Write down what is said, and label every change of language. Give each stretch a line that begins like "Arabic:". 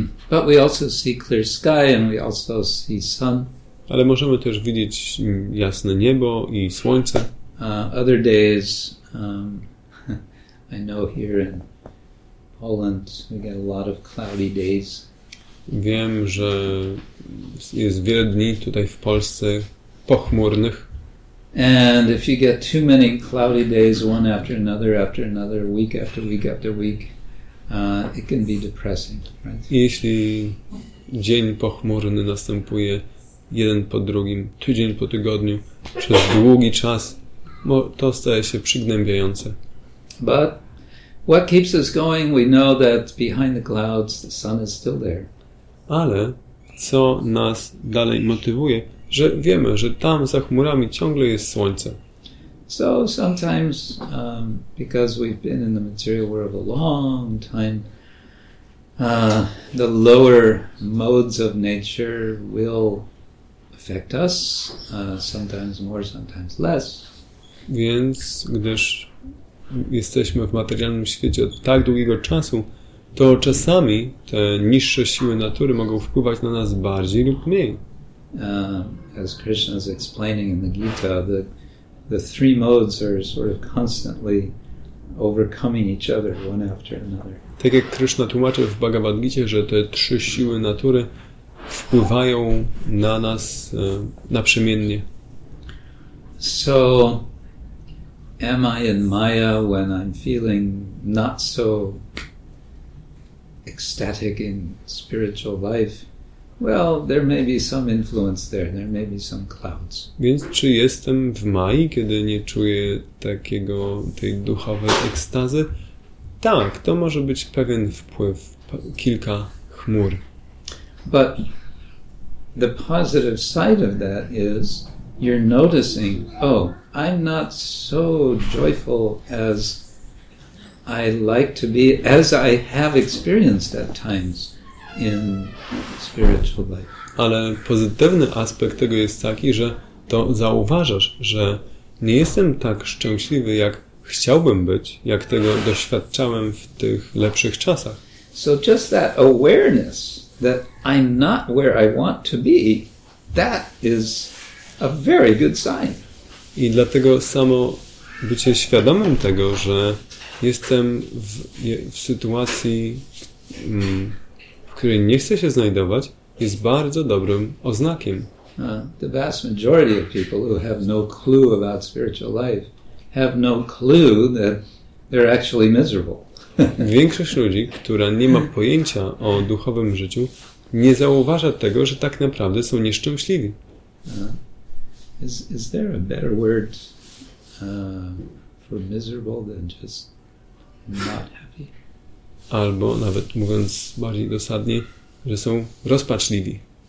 English: But we also see clear sky and we also see sun.
Polish: Ale możemy też widzieć jasne niebo i słońce.
English: Other days, I know here in Poland we get a lot of cloudy days.
Polish: Wiem, że jest wiele dni tutaj w Polsce pochmurnych.
English: And if you get too many cloudy days one after another, week after week after week, it can be depressing, right?
Polish: Jeśli dzień pochmurny następuje jeden po drugim, tydzień po tygodniu, przez długi czas, to staje się przygnębiające.
English: But what keeps us going, we know that behind the clouds the sun is still there.
Polish: Ale co nas dalej motywuje, że wiemy, że tam za chmurami ciągle jest słońce.
English: So sometimes because we've been in the material world a long time, the lower modes of nature will affect us, sometimes more, sometimes less.
Polish: Więc gdyż jesteśmy w materialnym świecie od tak długiego czasu, to czasami te niższe siły natury mogą wpływać na nas bardziej lub mniej.
English: As Krishna is explaining in the Gita, the three modes are sort of constantly overcoming each other one after another.
Polish: Tak jak Krishna tłumaczy w Bhagavad Gita, że te trzy siły natury wpływają na nas naprzemiennie.
English: So am I in Maya when I'm feeling not so ecstatic in spiritual life? Well, there may be some influence there. There may be some clouds.
Polish: Więc czy jestem w Maji, kiedy nie czuję takiego tej duchowej ekstazy? Tak, to może być pewien wpływ, kilka chmur.
English: But the positive side of that is you're noticing, oh, I'm not so joyful as I like to be, as I have experienced at times in spiritual life.
Polish: Ale pozytywny aspekt tego jest taki, że to zauważasz, że nie jestem tak szczęśliwy, jak chciałbym być, jak tego doświadczałem w tych lepszych czasach.
English: So just that awareness that I'm not where I want to be, that is a very good sign.
Polish: I dlatego samo bycie świadomym tego, że jestem w sytuacji, w której nie chcę się znajdować, jest bardzo dobrym oznakiem.
English: The vast majority of people who have no clue about spiritual life have no clue that they're actually miserable.
Polish: Większość ludzi, która nie ma pojęcia o duchowym życiu, nie zauważa tego, że tak naprawdę są nieszczęśliwi.
English: Is there a better word for miserable than just not happy?
Polish: Albo nawet mówiąc bardziej dosadnie, że są rozpaczliwi.